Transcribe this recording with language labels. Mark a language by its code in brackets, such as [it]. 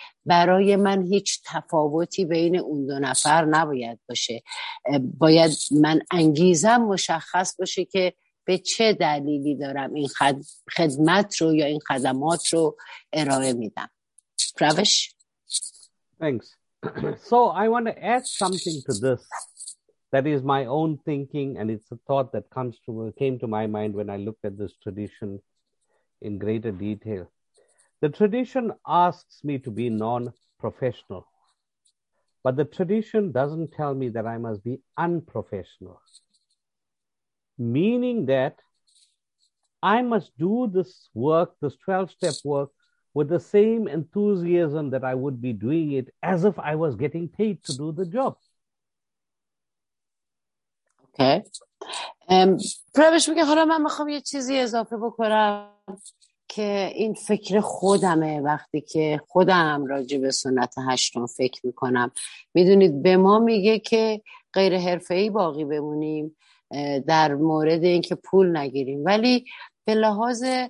[fa] برای من هیچ تفاوتی بین اون دو نفر نباید باشه، باید من انگیزم مشخص باشه که به چه دلیلی دارم این خدمت رو یا این خدمات رو ارائه میدم. روش؟ [en] Thanks. So I want to add something to this that is my own thinking, and it's a thought that came to my mind when I looked at this tradition in greater detail. The tradition asks me to be non-professional, but the tradition doesn't tell me that I must be unprofessional, meaning that I must do this work, this 12-step work, with the same enthusiasm that I would be doing it as if I was getting paid to do the job. Okay. [fa] پرویش میگه حالا من میخوام یه چیزی اضافه بکنم که این فکر خودمه. وقتی که خودم راجع به سنت هشتم فکر میکنم، میدونید به ما میگه که غیر حرفه‌ای باقی بمونیم در مورد اینکه پول نگیریم، ولی به لحاظ